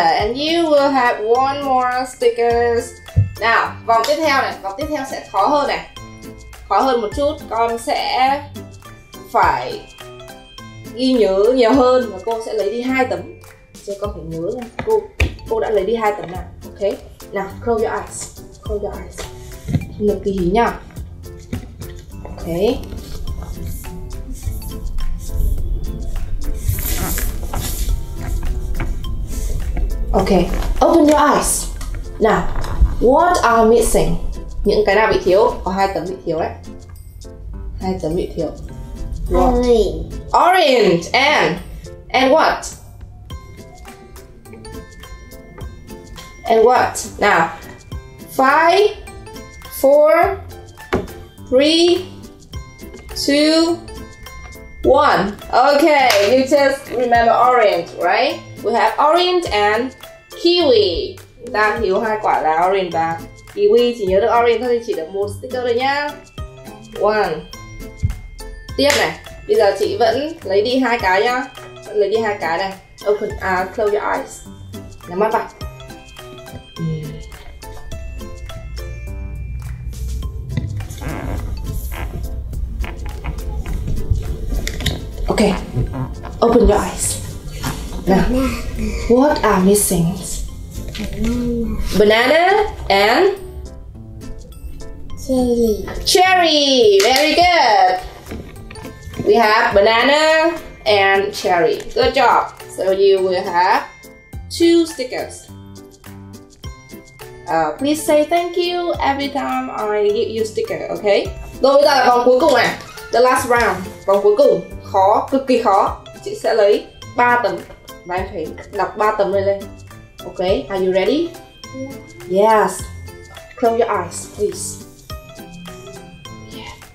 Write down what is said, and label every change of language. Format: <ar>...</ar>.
<en>And you will have one more stickers.</en> <vi>Nào, vòng tiếp theo này. Vòng tiếp theo sẽ khó hơn này. Khó hơn một chút. Con sẽ phải ghi nhớ nhiều hơn. Và cô sẽ lấy đi 2 tấm. Chứ con phải nhớ là cô đã lấy đi 2 tấm nào. Ok. Nào,</vi> <en>close your eyes.</en> <vi>Không được kỳ hí nhá. Ok.</vi> <en>Ok, open your eyes. Now, what are missing?</en> <vi>Những cái nào bị thiếu? Có 2 tấm bị thiếu đấy. 2 tấm bị thiếu.</vi> <en>Orange. And what? And what? Now, 5 4 3 2 1. Ok, you just remember orange, right? We have orange and kiwi.</en> <vi>Ta thiếu 2 quả là orange và kiwi. Chỉ nhớ được orange thôi thì chỉ được 1 sticker thôi nhá. 1. Tiếp này. Bây giờ chị vẫn lấy đi 2 cái nhá. Lấy đi 2 cái này.</vi> <en>Open, close your eyes.</en> <vi>Nhắm mắt vào.</vi> <en>Ok. Open your eyes. Now, what are missing? Banana and cherry. Very good. We have banana and cherry. Good job. So you will have 2 stickers. Please say thank you every time I give you sticker. Okay.</en> <vi>Rồi bây giờ là vòng cuối cùng này.</vi> <en>The last round.</en> <vi>Vòng cuối cùng khó, cực kỳ khó. Chị sẽ lấy 3 tấm. Và em phải đọc 3 tấm này lên.</vi> <en>Ok, are you ready? Yeah. Yes. Close your eyes, please. Yeah.</en>